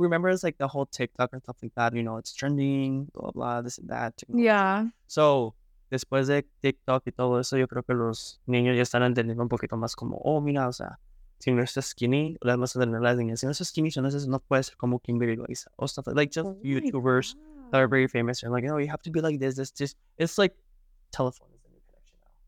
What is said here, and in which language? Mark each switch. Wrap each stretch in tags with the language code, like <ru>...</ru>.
<en>remember, it's like the whole TikTok and stuff like that. You know, it's trending, blah, blah, this and that, technology. Yeah.</en> <es>So, después de TikTok y todo eso, yo creo que los niños ya están entendiendo un poquito más como, oh, mira, o sea, si no estás skinny, las más de las niñas, si no estás skinny, entonces no puedes ser como quien viraliza.</es> <en>O stuff like just Oh my YouTubers that are God. very famous. And, like, oh, you have to be like this. It's like telephone is the new connection now.</en>